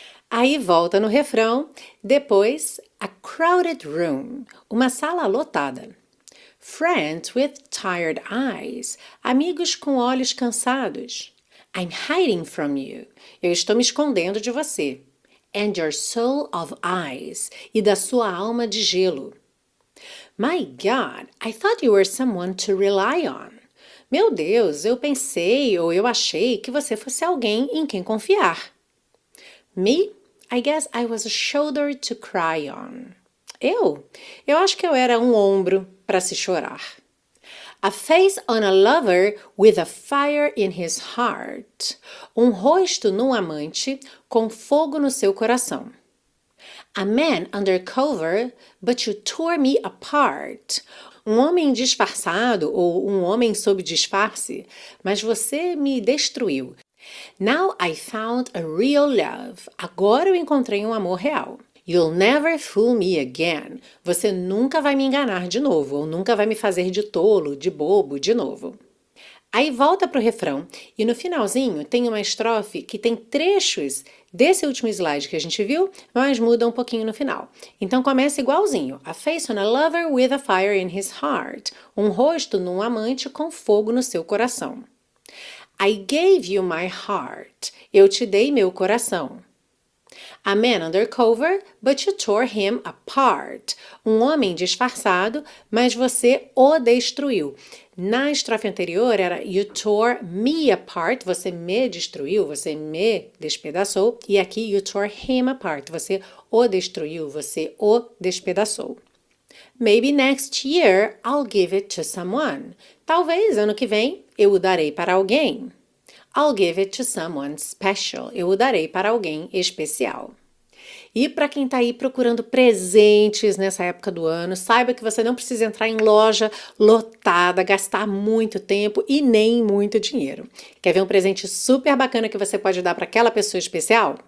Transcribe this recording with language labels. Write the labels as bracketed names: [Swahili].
[Portuguese] Aí volta no refrão, depois [English] a crowded room, [Portuguese] uma sala lotada. [English] Friends with tired eyes, [Portuguese] amigos com olhos cansados. [English] I'm hiding from you, [Portuguese] eu estou me escondendo de você. [English] And your soul of ice, [Portuguese] e da sua alma de gelo. [English] My God, I thought you were someone to rely on. [Portuguese] Meu Deus, eu pensei ou eu achei que você fosse alguém em quem confiar. [English] Me? I guess I was a shoulder to cry on. [Portuguese] Eu acho que eu era um ombro para se chorar. [English] A face on a lover with a fire in his heart. [Portuguese] Um rosto num amante com fogo no seu coração. [English] A man undercover, but you tore me apart. [Portuguese] Um homem disfarçado ou um homem sob disfarce, mas você me destruiu. [English] Now I found a real love. [Portuguese] Agora eu encontrei um amor real. [English] You'll never fool me again. [Portuguese] Você nunca vai me enganar de novo, ou nunca vai me fazer de tolo, de bobo, de novo. Aí volta para o refrão, e no finalzinho tem uma estrofe que tem trechos desse último slide que a gente viu, mas muda um pouquinho no final. Então começa igualzinho: [English] A face on a lover with a fire in his heart. [Portuguese] Um rosto num amante com fogo no seu coração. [English] I gave you my heart. [Portuguese] Eu te dei meu coração. [English] A man undercover, but you tore him apart. [Portuguese] Um homem disfarçado, mas você o destruiu. Na estrofe anterior era [English] you tore me apart, [Portuguese] você me destruiu, você me despedaçou. E aqui [English] you tore him apart, [Portuguese] você o destruiu, você o despedaçou. [English] Maybe next year I'll give it to someone. [Portuguese] Talvez ano que vem eu o darei para alguém. [English] I'll give it to someone special. [Portuguese] Eu o darei para alguém especial. E para quem está aí procurando presentes nessa época do ano, saiba que você não precisa entrar em loja lotada, gastar muito tempo e nem muito dinheiro. Quer ver um presente super bacana que você pode dar para aquela pessoa especial?